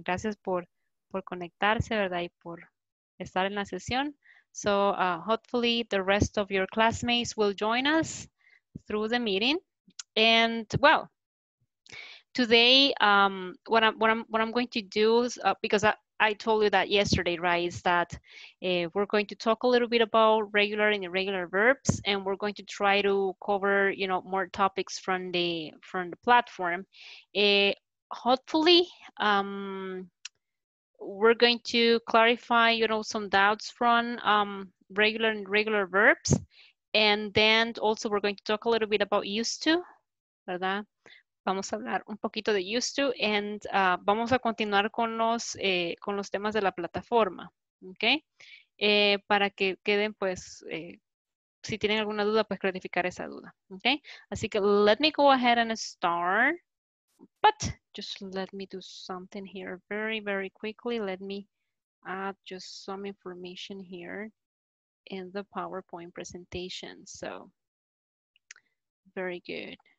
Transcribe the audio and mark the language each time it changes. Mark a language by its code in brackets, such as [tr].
[es] Gracias por conectarse, ¿verdad? Y por estar en la sesión. [en] So, hopefully the rest of your classmates will join us through the meeting. And, well, today, what I'm going to do is, because I told you that yesterday, right, is that we're going to talk a little bit about regular and irregular verbs, and we're going to try to cover, you know, more topics from the platform. Hopefully, we're going to clarify, you know, some doubts from regular and irregular verbs, and then also we're going to talk a little bit about used to, [es] ¿verdad? Vamos a hablar un poquito de used to and vamos a continuar con los temas de la plataforma, ¿ok? Para que queden, pues, si tienen alguna duda, pues, clarificar esa duda, ¿ok? Así que [en] let me go ahead and start, but just let me do something here very, very quickly. Let me add just some information here in the PowerPoint presentation. So, very good.